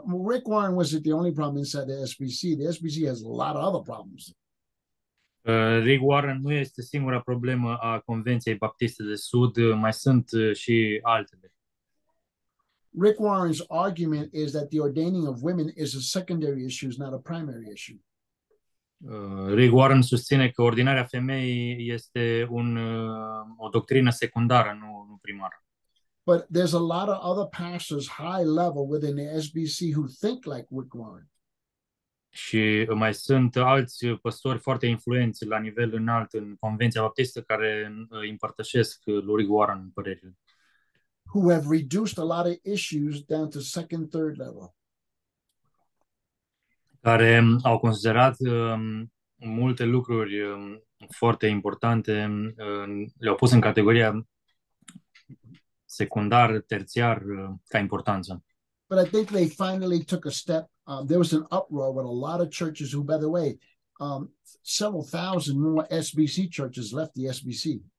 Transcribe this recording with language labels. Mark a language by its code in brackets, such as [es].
[en] Rick Warren wasn't the only problem inside the SBC. The SBC has a lot of other problems. [ro] Rick Warren nu este singura problemă a Convenției Baptiste de Sud. Mai sunt și altele. [en] Rick Warren's argument is that the ordaining of women is a secondary issue, is not a primary issue. [ro] Rick Warren susține că ordinarea femeii este o doctrină secundară, nu primară. [en] But there's a lot of other pastors high level within the SBC who think like Rick Warren. [ro] Și mai sunt alți păstori foarte influenți la nivel înalt în Convenția Baptistă care împărtășesc lui Rick Warren părerile. [en] Who have reduced a lot of issues down to second, third level. [ro] Care au considerat multe lucruri foarte importante, le-au pus în categoria secundar, terțiar, ca importanță. [en] But I think they finally took a step. There was an uproar with a lot of churches who, by the way, several thousand more SBC churches left the SBC.